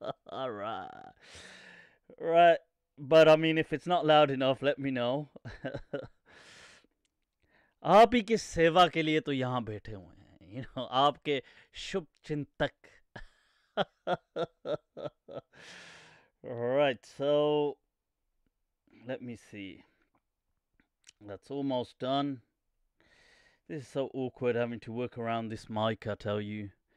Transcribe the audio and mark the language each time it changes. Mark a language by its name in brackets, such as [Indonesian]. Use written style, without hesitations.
[English] All right. Right. But I mean, if it's not loud enough, let me know. [Hindi] आप ही के सेवा के लिए तो यहां बैठे हुए हैं. आपके शुभ चिंतक. [English] Right, so let me see. That's almost done. This is so awkward having to work around this mic, I tell you.